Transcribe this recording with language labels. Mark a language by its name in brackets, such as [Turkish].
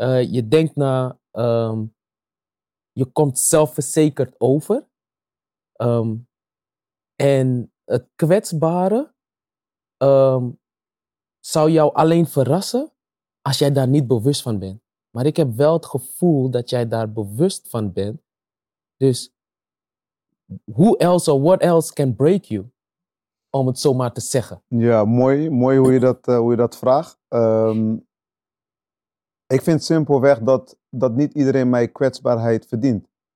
[Dutch] Je denkt na, je komt zelfverzekerd over. En het kwetsbare zou jou alleen verrassen als jij daar niet bewust van bent. Maar ik heb wel het gevoel dat jij daar bewust van bent. Dus [English] who else or what else can break you? [Dutch] Om het zomaar te zeggen. Ja, mooi hoe je dat, vraagt. Ik vind simpelweg dat niet iedereen mijn kwetsbaarheid verdient.